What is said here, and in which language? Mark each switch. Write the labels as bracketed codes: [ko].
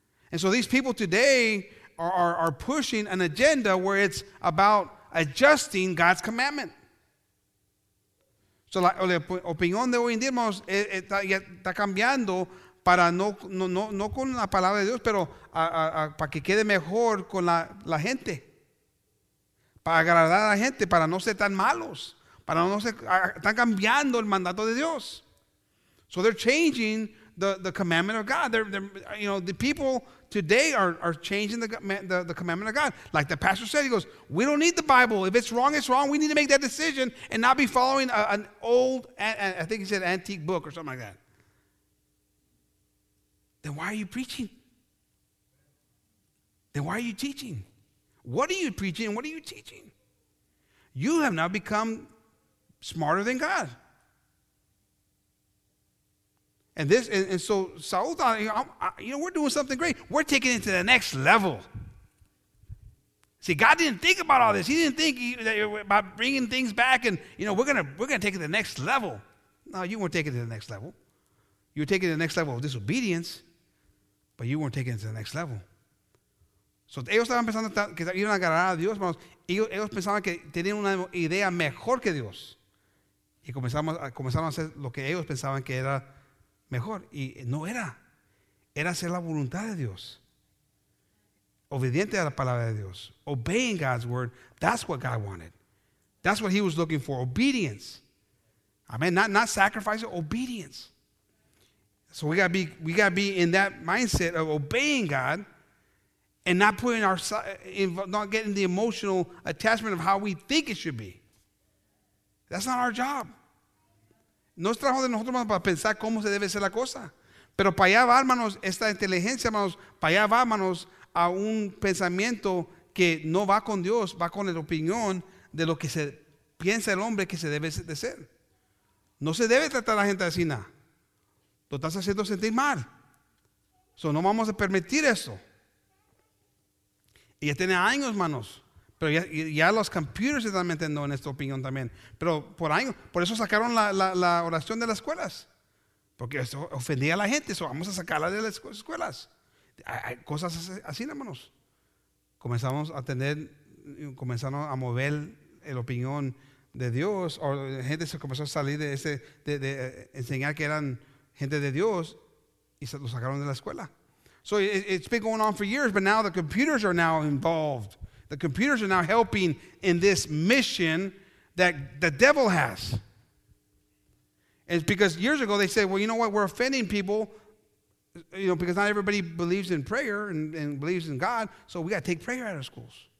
[en] And so these people today are pushing an agenda where it's about adjusting God's commandment. [es] So la opinión de hoy en día, hermanos, está cambiando para no con la palabra de Dios, pero para que quede mejor con la gente. Para agradar a la gente, para no ser tan malos. Para no ser, están cambiando el mandato de Dios. [en] So they're changing the commandment of God. The people today are changing the commandment of God. Like the pastor said, he goes, we don't need the Bible. If it's wrong, it's wrong. We need to make that decision and not be following an old, I think he said antique book or something like that. Then why are you preaching? Then why are you teaching? What are you preaching and what are you teaching? You have now become smarter than God. And this, and so Saul thought, we're doing something great. We're taking it to the next level. See, God didn't think about all this. He didn't think about bringing things back and, we're gonna take it to the next level. No, you weren't taking it to the next level. You were taking it to the next level of disobedience, but you weren't taking it to the next level. [es] So ellos estaban pensando que iban a agarrar a Dios, hermanos. Ellos pensaban que tenían una idea mejor que Dios. Y comenzaron a hacer lo que ellos pensaban que era mejor. Y no era. Era hacer la voluntad de Dios. Obediente a la palabra de Dios. [en] Obeying God's word. That's what God wanted. That's what he was looking for. Obedience. Amen. Not sacrificing. Obedience. So we gotta be in that mindset of obeying God. And not putting our, not getting the emotional attachment of how we think it should be. That's not our job. [es] No es trabajo de nosotros, hermanos, para pensar cómo se debe ser la cosa. Pero para allá va, hermanos, esta inteligencia, hermanos, para allá va, hermanos, a un pensamiento que no va con Dios, va con la opinión de lo que se piensa el hombre que se debe de ser. No se debe tratar a la gente así, nada. Lo estás haciendo sentir mal. So, no vamos a permitir eso. Y ya tiene años, manos. Pero ya los computers están metiendo en esta opinión también. Pero por años. Por eso sacaron la oración de las escuelas. Porque eso ofendía a la gente. Eso vamos a sacarla de las escuelas. Hay cosas así, manos. Comenzamos a mover la opinión de Dios. O la gente se comenzó a salir de ese. De enseñar que eran gente de Dios. Y se lo sacaron de la escuela. [en] So it's been going on for years, but now the computers are now involved. The computers are now helping in this mission that the devil has. And it's because years ago they said, well, you know what? We're offending people, because not everybody believes in prayer and believes in God, so we got to take prayer out of schools.